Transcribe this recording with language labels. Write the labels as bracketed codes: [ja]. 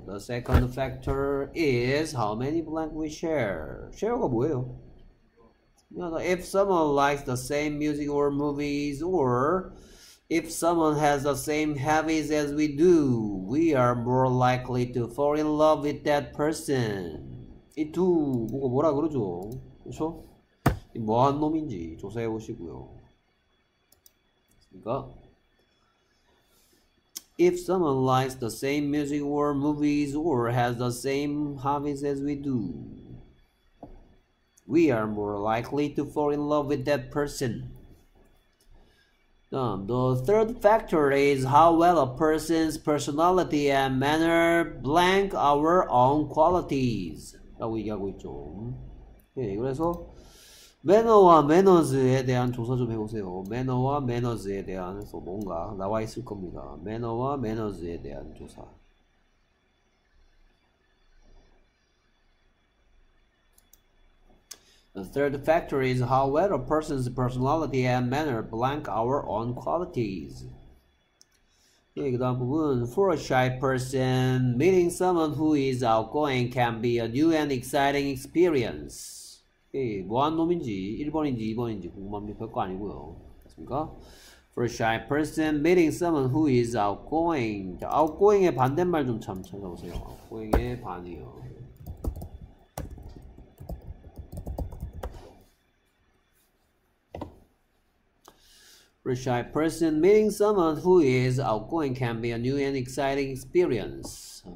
[en] The second factor is how many blank we share. [ko] Share가 뭐예요? [en] You know, if someone likes the same music or movies, or if someone has the same habits as we do, we are more likely to fall in love with that person. [ko] 이 두, 뭐가 뭐라 그러죠? 그쵸? 이 뭐한 놈인지 조사해 보시고요. 됐습니까? [en] If someone likes the same music or movies or has the same hobbies as we do, we are more likely to fall in love with that person. The third factor is how well a person's personality and manner blank our own qualities. [ko] 라고 얘기하고 있죠. 예, 그래서 매너와 매너즈에 대한 조사 좀 해보세요. 매너와 매너즈에 대한 해서 뭔가 나와 있을 겁니다. 매너와 매너즈에 대한 조사. [en] 'The third factor is how well a person's personality and manner blank our own qualities.' [ko] 예, 그 다음 부분, [en] for a shy person, meeting someone who is outgoing can be a new and exciting experience. [ko] 예, 뭐한 놈인지, 1번인지 2번인지 궁금합니다. 별거 아니고요. 됐습니까? [en] For a shy person, meeting someone who is outgoing. [ko] 자, outgoing의 반대말 좀 참 찾아보세요. outgoing의 반이요. [en] 'A shy person meeting someone who is outgoing can be a new and exciting experience.